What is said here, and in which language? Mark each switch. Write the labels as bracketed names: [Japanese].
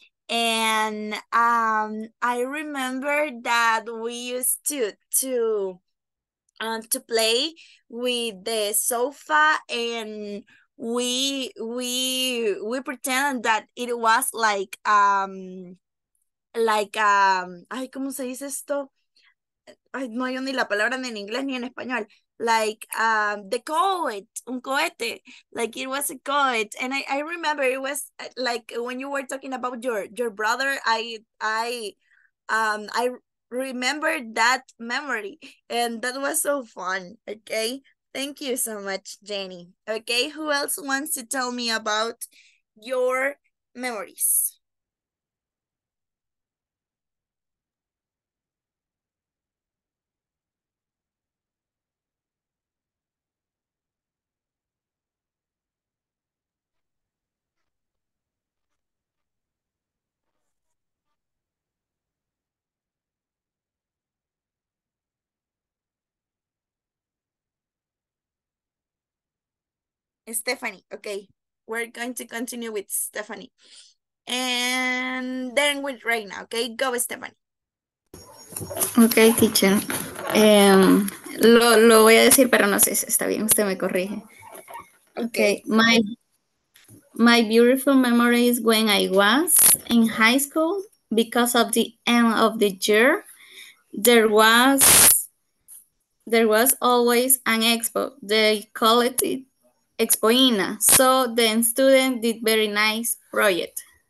[English] And I remember that we used to play with the sofa, and we pretend that it was [Spanish] ay, ¿cómo se dice esto? Ay, no hay ni la palabra ni en inglés ni en español. [English] Like the cohete, un cohete, like it was a cohete. And I remember it was like when you were talking about your brother, I remember that memory, and that was so fun. Okay, thank you so much, Jenny. Okay, who else wants to tell me about your memories? Stephanie, okay, we're going to continue with Stephanie and then with Reina. Okay, go Stephanie. [Spanish] Okay, teacher, lo voy a decir, pero no sé si está bien, usted me corrige. [English] Okay, my beautiful memory is when I was in high school, because of the end of the year there was always an expo. They call it Expoina. So the student did very nice project.